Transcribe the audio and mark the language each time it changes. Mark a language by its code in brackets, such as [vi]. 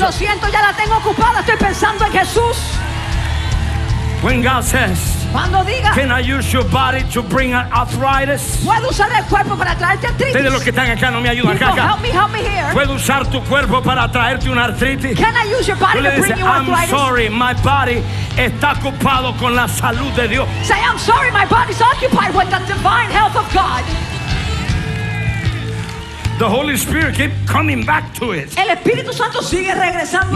[es] Lo siento, ya la tengo ocupada, estoy pensando en Jesús. [en] When God says, [es] cuando diga, [en] can I use your body to bring arthritis? [es] ¿Puedo usar el cuerpo para traerte artritis? Ustedes los que están acá no me ayudan acá. [en] Help me here. [es] ¿Puedo usar tu cuerpo para traerte una artritis? [en] Can I use your body to bring you arthritis? I'm sorry, my body [es] está ocupado con la salud de Dios. [en] Say, I'm sorry, my body's occupied with the divine health of God. The Holy Spirit keep coming back to it. [es] El Espíritu Santo sigue regresando.